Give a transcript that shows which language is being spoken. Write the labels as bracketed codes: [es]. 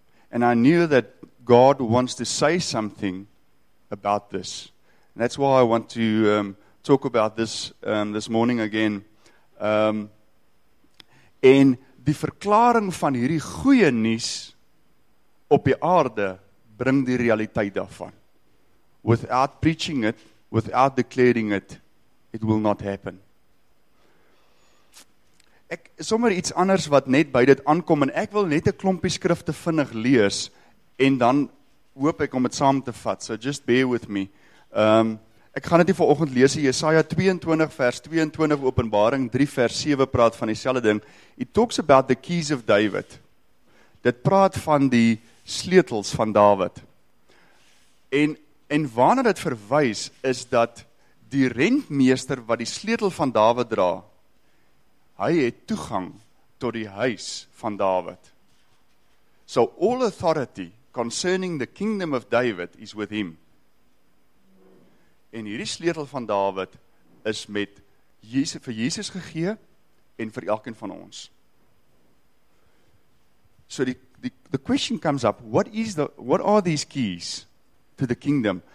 [en] And I knew that God wants to say something about this. And that's why I want to talk about this this morning again. [af] En die verklaring van hierdie goeie nuus op die aarde bring die realiteit daarvan. [en] Without preaching it, without declaring it, it will not happen. [af] Ek sommer iets anders wat net by dit aankom, en ek wil net 'n klompie skrifte vinnig lees, en dan hoop ek om het saam te vat, [en] so just bear with me. [af] Ek gaan het hier vanoggend lees, Jesaja 22 vers 22, Openbaring 3 vers 7 praat van dieselfde ding. [en] It talks about the keys of David. [af] Dit praat van die sleutels van David. En waarna dit verwys is dat die rentmeester wat die sleutel van David dra, hy het toegang tot die huis van David. [en] So all authority concerning the kingdom of David is with him. [af] En hierdie sleutel van David is met Jesus, vir Jesus gegee en vir elkeen van ons. [en] So the question comes up, what are these keys to the kingdom?